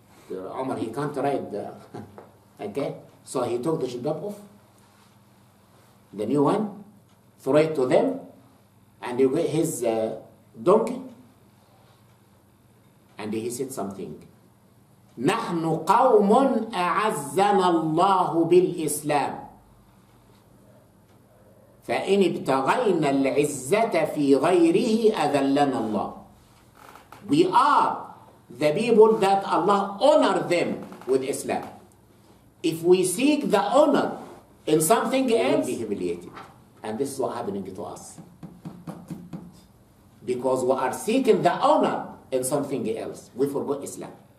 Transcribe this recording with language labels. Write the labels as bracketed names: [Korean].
[English] Umar, he can't ride the, okay? So he took the jilbab off, the new one, throw it to them, and he got his donkey, and he said something. [Arabic] نحن قوم أعزنا الله بالإسلام فإن ابتغينا العزة في غيره أذلنا الله. [English] We are the people that Allah honor them with Islam. If we seek the honor in something else, we'll be humiliated. And this is what happening to us. Because we are seeking the honor in something else, we forgot Islam.